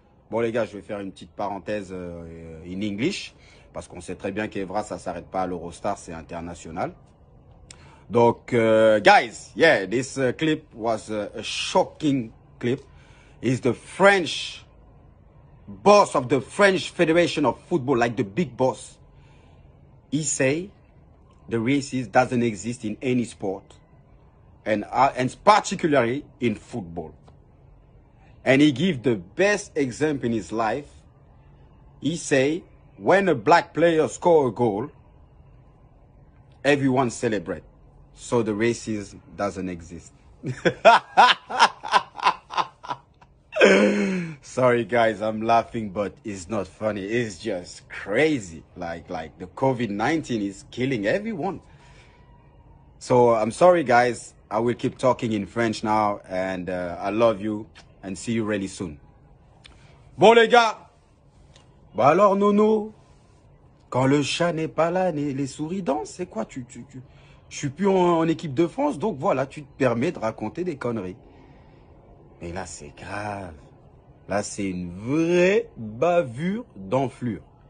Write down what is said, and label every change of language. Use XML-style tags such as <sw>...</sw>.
<fr>Bon, les gars, je vais faire une petite parenthèse</fr> <en>in English.</en> <fr>Parce qu'on sait très bien qu'Evra, ça ne s'arrête pas à l'Eurostar, c'est international.</fr> <en>Donc, guys, yeah, this clip was a shocking clip. It's the French boss of the French Federation of Football, like the big boss. He say the racist doesn't exist in any sport, and particularly in football. And he give the best example in his life. He say when a black player score a goal, everyone celebrate. So the racism doesn't exist. Sorry, guys, I'm laughing, but it's not funny. It's just crazy. Like the COVID-19 is killing everyone. So I'm sorry, guys. I will keep talking in French now. And I love you and see you really soon.</en> <fr>Bon, les gars. Bah alors, Nono, quand le chat n'est pas là, les souris dansent, c'est quoi tu... Je suis plus en équipe de France, donc voilà, tu te permets de raconter des conneries. Mais là, c'est grave. Là, c'est une vraie bavure d'enflure.</fr>